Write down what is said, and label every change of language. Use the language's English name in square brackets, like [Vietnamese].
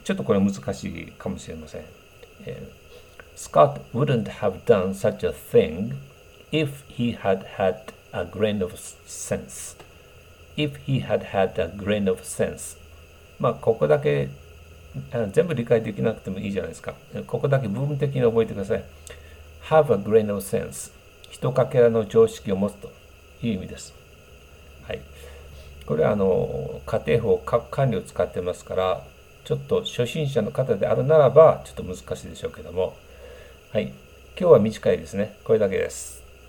[Japanese] ちょっとこれ難しいかもしれません。 [English] Scott wouldn't have done such a thing if he had had a grain of sense. If he had had a grain of sense。 [Japanese] ここだけ全部理解できなくてもいいじゃないですか。ここだけ部分的に覚えてください。 [English] Have a grain of sense。 [Japanese] ひとかけらの常識を持つという意味です。はい。これは仮定法、各管理を使ってますから、ちょっと初心者の方であるならば、ちょっと難しいでしょうけども。はい。今日は短いですね。これだけです。